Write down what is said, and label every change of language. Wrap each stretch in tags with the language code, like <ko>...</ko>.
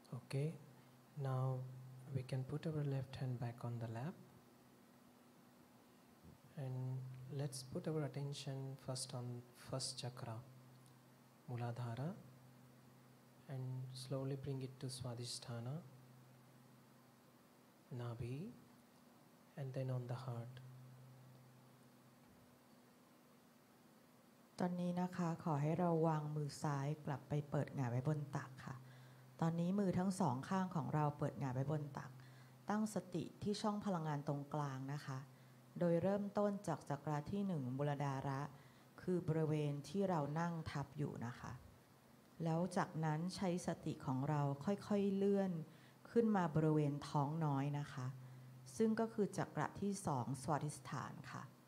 <en>Okay, now we can put our left hand back on the lap. And let's put our attention first on first chakra, Muladhara. And slowly bring it to Swadhisthana, Nabhi, and then on the heart.</en> <th>ตอนนี้นะคะขอให้เราวางมือซ้ายกลับไปเปิดหงายไว้บนตักค่ะตอนนี้มือทั้งสองข้างของเราเปิดหงายไว้บนตักตั้งสติที่ช่องพลังงานตรงกลางนะคะโดยเริ่มต้นจากจักราที่หนึ่งมูลดาระคือบริเวณที่เรานั่งทับอยู่นะคะแล้วจากนั้นใช้สติของเราค่อยๆเลื่อนขึ้นมาบริเวณท้องน้อยนะคะซึ่งก็คือจักราที่สองสวัสดิสถานค่ะ</th>